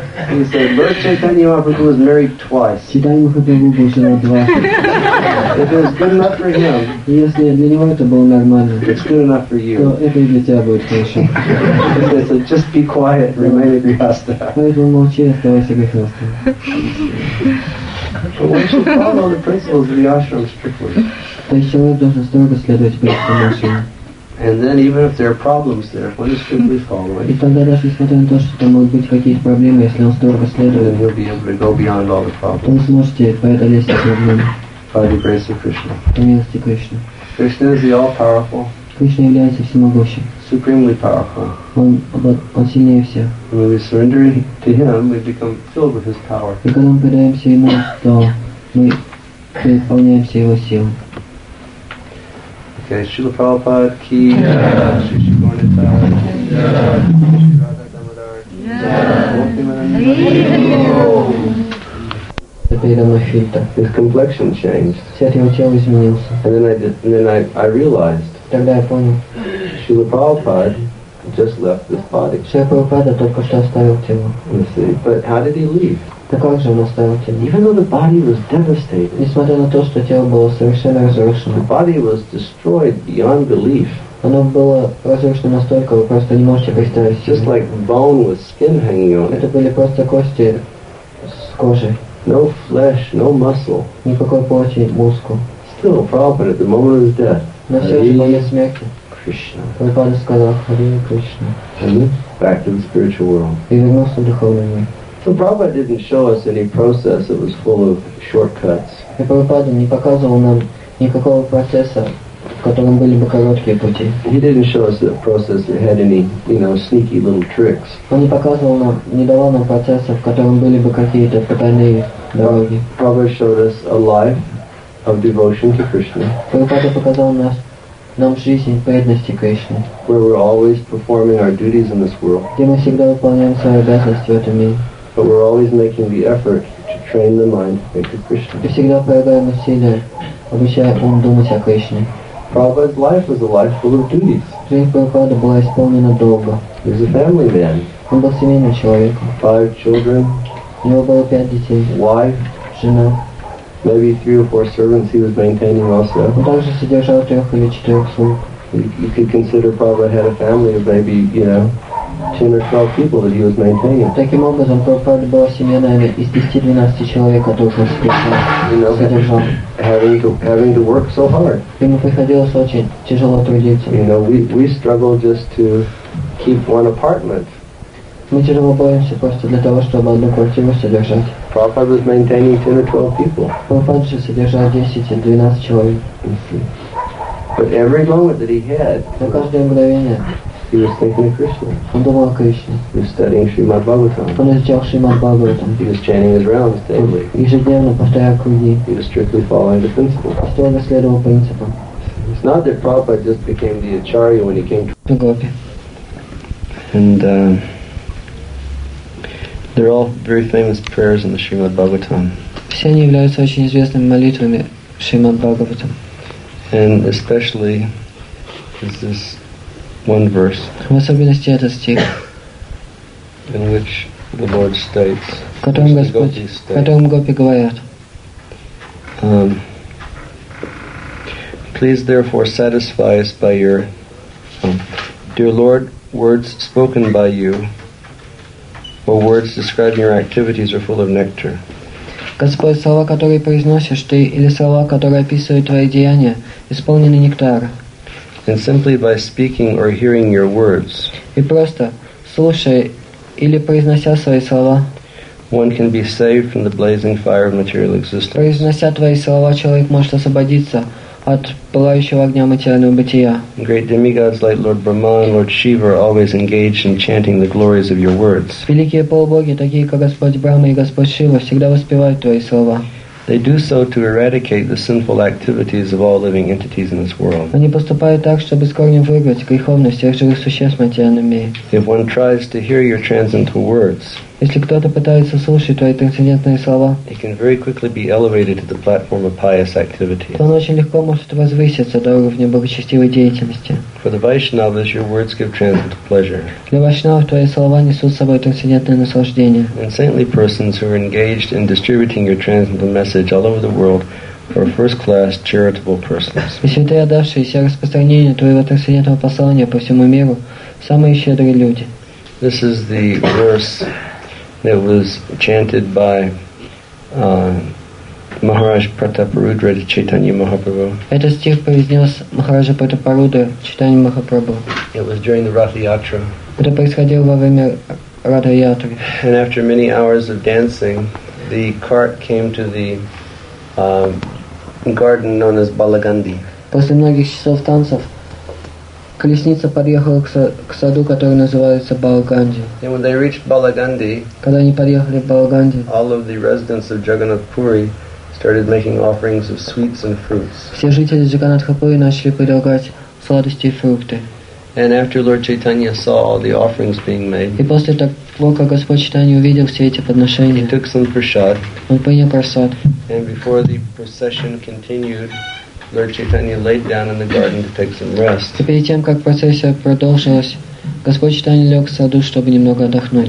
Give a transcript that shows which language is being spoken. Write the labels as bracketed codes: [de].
[en] He said, Lord Chaitanya Mahaprabhu was married twice. Chaitanya Mahaprabhu was married twice. If it was good enough for him, [ru] если для него это было нормально, [en] it's good enough for you. [ru] То это и для тебя будет хорошо. [en] He said, just be quiet, remain a grihastha. [ru] Поэтому молчи, оставайся грихастхой. [en] But one should follow the principles of the ashram strictly. [ru] То есть человек должен строго следовать принципам ашрама. [en] And then even if there are problems there, one is simply following. [ru] И тогда даже несмотря на то, что там могут быть какие-то проблемы, если он строго следует, [en] then he'll be able to go beyond all the problems. [ru] Он сможет преодолеть эти проблемы. [en] By the grace of Krishna. [ru] По милости Кришны. [en] Krishna is the all-powerful. [ru] Кришна является всемогущим. [en] Supremely powerful. [ru] Он сильнее всех. [en] When we surrender to him, we become filled with his power. [ru] И когда мы предаемся ему, то мы переполняемся его силой. [en] Okay, Srila Prabhupada ki Jai, Sri Gaurinatha Jai, Sri Radha Damodar Jai, Jai. His complexion changed. [ru] Сет его тело изменился. [en] And then I realized. [ru] Тогда я понял. [en] Srila Prabhupada just left this body. [ru] Шри-Прабхупада только что оставил тело. [en] You see, but how did he leave? [ru] Так как же он оставил тело? [en] Even though the body was devastated. [ru] Несмотря на то, что тело было совершенно разрушено. [en] The body was destroyed beyond belief. [ru] Оно было разрушено настолько, вы просто не можете представить себе. [en] Just like bone with skin hanging on it. [ru] Это были просто кости с кожей. [en] No flesh, no muscle. [ru] Никакой плоти, мускул. [en] Still, Prabhupada, at the moment of his death. [ru] Но все же в момент смерти. Кришна. Прабхупада сказал, Хари Кришна. [en] Back to the spiritual world. [ru] И вернулся в духовный мир. [en] So Prabhupada didn't show us any process that was full of shortcuts. [ru] И Прабхупада не показывал нам никакого процесса, в котором были бы короткие пути. [en] He didn't show us the process that had any, you know, sneaky little tricks. [ru] Он не показывал нам, не давал нам процесса, в котором были бы какие-то потайные дороги. [en] Prabhupada showed us a life of devotion to Krishna. [ru] Прабхупада показал нам жизнь преданности Кришне. [en] Where we're always performing our duties in this world. [ru] Где мы всегда выполняем свои обязанности в этом мире. [en] But we're always making the effort to train the mind to think of Krishna. [ru] Мы всегда прилагаем усилия, обучая ум думать о Кришне. [en] Prabhupada's life was a life full of duties. [ru] Жизнь Прабхупады была исполнена долга. [en] He was a family man. [ru] Он был семейным человеком. [en] Five children. [ru] У него было пять детей. [en] Wife. [ru] Жена. [en] Maybe three or four servants he was maintaining also. [ru] Он также содержал трех или четырех слуг. [en] You could consider Prabhupada had a family of maybe, you know, 10 or 12 people that he was maintaining. [ru] Таким образом, Прабхупада была семья, наверное, из 10-12 человек, которых он содержал. [en] Having to work so hard. [ru] Ему приходилось очень тяжело трудиться. [en] You know, we struggle just to keep one apartment. [ru] Мы тяжело боремся просто для того, чтобы одну квартиру содержать. [en] Prabhupada was maintaining 10 or 12 people. [ru] Прабхупада же содержал 10-12 человек. [en] But every moment that he had, [ru] на каждое мгновение, [en] he was thinking of Krishna. [ru] Он думал о Кришне. [en] He was studying Srimad Bhagavatam. [ru] Он изучал Шримад Бхагаватам. [en] He was chanting his rounds daily. [ru] Он ежедневно повторял круги. [en] He was strictly following the principles. [ru] Стойно следовал принципам. [en] It's not that Prabhupada just became the acharya when he came to Gopi. And they're all very famous prayers in the Srimad Bhagavatam. [ru] Все они являются очень известными молитвами Шримад Бхагаватам. [en] And especially is this one verse. [ru] В особенности этот стих. [en] In which the Lord states. [ru] Которым Гопи говорят. [en] Please therefore satisfy us by your dear Lord, words spoken by you, or words describing your activities are full of nectar. [ru] Господь, слова, которые произносишь ты, или слова, которые описывают твои деяния, исполнены нектара. [en] And simply by speaking or hearing your words. [ru] И просто слушая или произнося свои слова. [en] One can be saved from the blazing fire of material existence. [ru] Произнося твои слова, человек может освободиться от пылающего огня материального бытия. [en] Great demigods like Lord Brahma and Lord Shiva are always engaged in chanting the glories of your words. [ru] Великие полубоги, такие как Господь Брахма и Господь Шива, всегда воспевают твои слова. [en] They do so to eradicate the sinful activities of all living entities in this world. [ru] Они поступают так, чтобы с корнем выгнать греховность всех живых существ в материальном мире. [en] If one tries to hear your transcendental words, [ru] если кто-то пытается слушать твои трансцендентные слова, [en] he can very quickly be elevated to the platform of pious activity. [ru] Он очень легко может возвыситься до уровня благочестивой деятельности. [en] For the Vaishnavas, your words give transcendental pleasure. [ru] Для вайшнавов твои слова несут с собой трансцендентное наслаждение. [en] And saintly persons who are engaged in distributing your transcendental message all over the world are first-class charitable persons. [ru] И святые, отдавшиеся распространению твоего трансцендентного послания по всему миру, самые щедрые люди. [en] This is the verse that was chanted by Maharaj Prataparudra to Chaitanya Mahaprabhu. [ru] Этот стих произнес Махараджа Пратапарудра Чайтанья Махапрабху. [en] It was during the Ратха Ятра. [ru] Это происходило во время Ратха Ятры. [en] And after many hours of dancing, the cart came to the garden known as Balaganti. [ru] После многих часов танцев колесница подъехала к саду, который называется Балаганди. [en] And when they reached Balaganti, [ru] когда они подъехали в Балаганди, [en] all of the residents of Jagannath Puri started making offerings of sweets and fruits. [ru] Все жители Джаганнатха Пури начали предлагать сладости и фрукты. [en] And after Lord Chaitanya saw all the offerings being made, [ru] и после того, как Господь Чайтанья увидел все эти подношения, [en] he took some prasad. [ru] Он принял прасад. [en] And before the procession continued, Lord Chaitanya laid down in the garden to take some rest. [ru] Перед тем, как процессия продолжилась, Господь Читание лег в саду, чтобы немного отдохнуть.